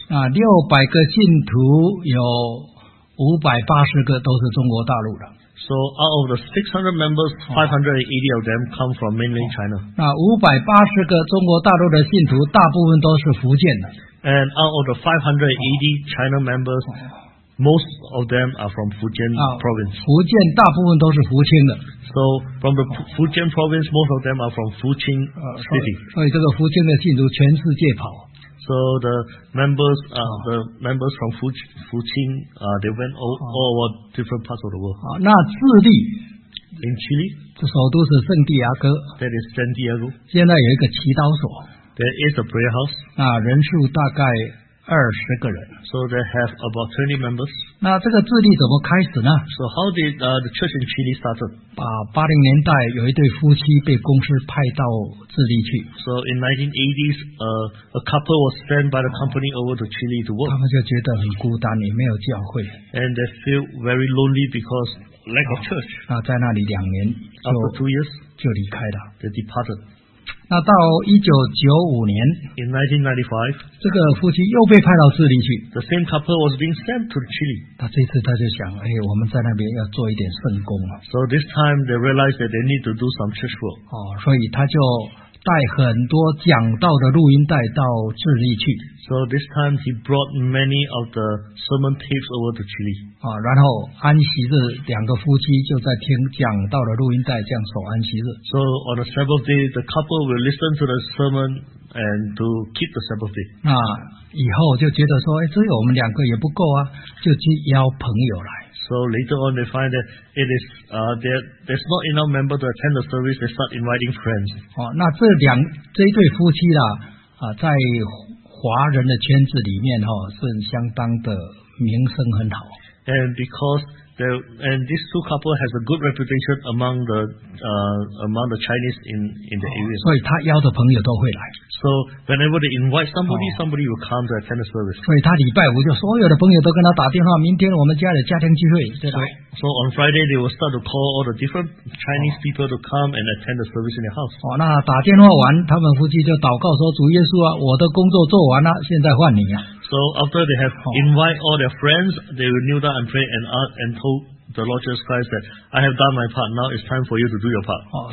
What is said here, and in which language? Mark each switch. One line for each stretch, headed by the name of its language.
Chinese: 那600个信徒有580个都是中国大陆的。
English: So out of the 600 members, 580 of them come from mainland China.
Chinese: 那580个中国大陆的信徒大部分都是福建的。
English: And out of the 580 China members, most of them are from Fujian province.
Chinese: 福建大部分都是福清的。
English: So from the Fujian province, most of them are from Fujian city.
Chinese: 所以这个福清的信徒全世界跑。
English: So the members, the members from Fujian, they went all over different parts of the world.
Chinese: 那智利
English: ，In Chile,
Chinese: 这首都是圣地亚哥。
English: That is San Diego.
Chinese: 现在有一个祈祷所。
English: There is a prayer house.
Chinese: 那人数大概20个人。
English: So they have about 20 members.
Chinese: 那这个智利怎么开始呢
English: ？So how did the church in Chile started?
Chinese: 80年代有一对夫妻被公司派到智利去。
English: So in 1980s, a couple was sent by the company over to Chile to work.
Chinese: 他们就觉得很孤单，也没有教会。
English: And they feel very lonely because lack of church.
Chinese: 那在那里两年就
English: After 2 years,
Chinese: 就离开了。
English: They departed.
Chinese: 那到1995年
English: ，In 1995，
Chinese: 这个夫妻又被派到智利去。
English: The same couple was being sent to Chile。
Chinese: 他这次他就想，哎，我们在那边要做一点圣工了。
English: So this time they realized that they need to do some church work。
Chinese: 哦，所以他就带很多讲道的录音带到智利去。
English: So this time he brought many of the sermon tapes over to Chile。
Chinese: 啊，然后安息日两个夫妻就在听讲道的录音带，这样守安息日。
English: So on the Sabbath day, the couple will listen to the sermon and to keep the Sabbath day。
Chinese: 那以后就觉得说，哎，只有我们两个也不够啊，就去邀朋友来。
English: So later on, they find that it is there's not enough member to attend the service. They start inviting friends.
Chinese: 哦，那这一对夫妻啦，在华人的圈子里面是相当的名声很好。
English: And because And this two couple has a good reputation among the Chinese in the area.
Chinese: 所以他邀的朋友都会来.
English: So whenever they invite somebody, somebody will come to attend the service.
Chinese: 所以他礼拜五就所有的朋友都跟他打电话，明天我们家里家庭聚会。
English: So on Friday, they will start to call all the different Chinese people to come and attend the service in their house.
Chinese: 那打电话完，他们夫妻就祷告说，主耶稣啊，我的工作做完了，现在换你啊。
English: So after they have invited all their friends, they will kneel down and pray and ask and told the Lord Jesus Christ that I have done my part, now it's time for you to do your part.